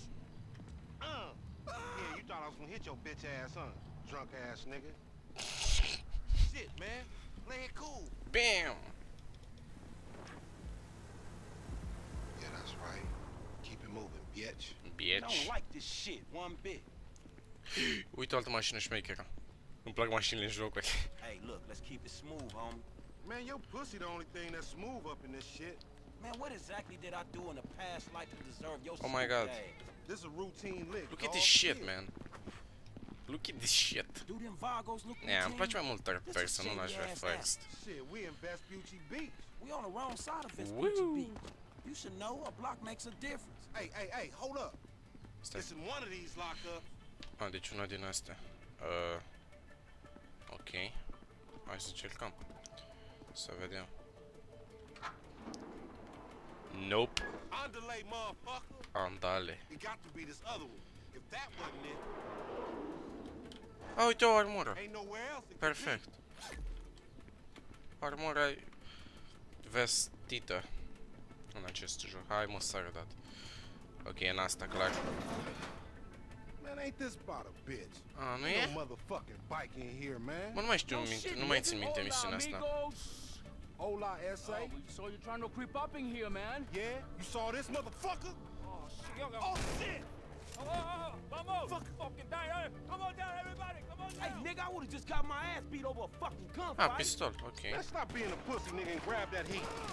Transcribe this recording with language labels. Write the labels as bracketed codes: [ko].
[en] Yeah, you thought I was gonna hit your bitch ass, huh? Drunk ass nigga. Shit, man. Play it cool. Bam! Yeah, that's right. Keep it moving, bitch. Bitch. I don't like this shit one bit. [ro] Uite altă mașină șmecheră. Îmi plac mașinile în jocuri. [en] Hey, look, let's keep it smooth, homie. Man, your pussy the only thing that's smooth up in this shit. Man, what exactly did I do in the past life to deserve your smooth? Oh my god. This is a routine lick. Look at this shit, man. Look at this shit. Do them Vagos look routine? [ro] Yeah, îmi place mai mult third person, nu l-aș vrea first. [en] Shit, we in Best Beauty Beach. We on the wrong side of Best Beauty Beach. You should know, a block makes a difference. Hey, hey, hey, hold up. This is one of these lockups. [ro] Ah, deci una din astea. Ok. Hai să încercăm. Să vedem. [en] Nope. Andale, motherfucker. Andale. It got to be this other one. If that wasn't it. [ro] Ah, uite o armură. [en] Ain't nowhere else. Perfect. [ro] Armura vestită în acest joc. Hai, mă, s-a arătat. Ok, în asta, clar. [en] Man, ain't this about a bitch? [ro] Ah, nu e? [en] Motherfucking bike in here, man. [ro] Mă, nu mai știu, nu mai țin minte misiunea asta. [en] Hola, S.A. So you're trying to creep up in here, man. Yeah, you saw this, motherfucker? Oh, shit. Oh, shit! Oh, vamos! Fucking die, come on down, everybody! Come on down! Hey, nigga, I would've just got my ass beat over a fucking gunfight. Ah, pistol, okay. Let's stop being a pussy, nigga, and grab that heat.